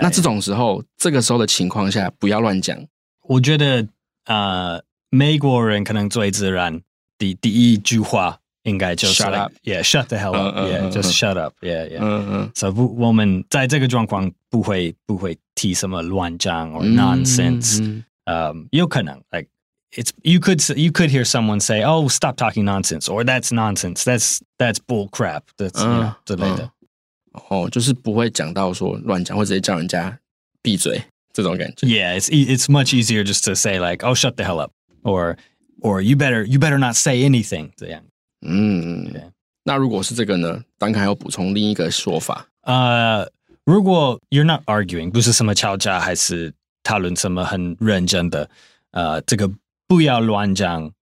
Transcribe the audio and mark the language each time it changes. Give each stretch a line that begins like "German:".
Chinese: 那这种时候、这个时候的情况下不要乱讲我觉得美国人可能最自然的第一句话应该就是
English: shut up yeah shut the hell up yeah just shut up yeah yeah so
Chinese: 我们在这个状况不会提什么乱讲
English: or nonsense有可能 like it's you could hear someone say oh stop talking nonsense or that's nonsense that's bull crap that's you know,
Chinese: 之类的就是不会讲到说乱讲或者叫人家闭嘴这种感觉
English: yeah it's much easier just to say like oh shut the hell up or you better not say anything
Chinese: 这样那如果是这个呢？Duncan还要补充另一个说法。如果
English: you're not arguing，
Chinese: 不是什么吵架，还是讨论什么很认真的，这个不要乱讲。